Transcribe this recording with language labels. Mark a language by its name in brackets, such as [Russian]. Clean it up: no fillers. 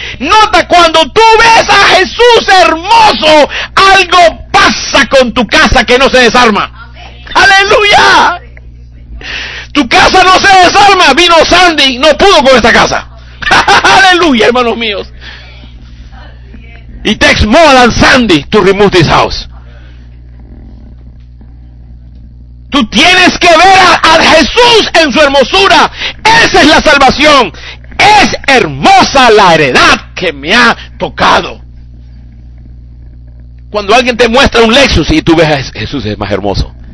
[Spanish] Nota, cuando tú ves a Jesús hermoso, algo pasa con tu casa que no se desarma. ¡Aleluya! Tu casa no se desarma. Vino Sandy, no pudo con esa casa. ¡Aleluya, hermanos míos! [English] It takes more than Sandy to remove this house. [Spanish] Tú tienes que ver a Jesús en su hermosura. Esa es la salvación. Es hermosa la heredad que me ha tocado. Cuando alguien te muestra un Lexus y tú ves a Jesús, es más hermoso.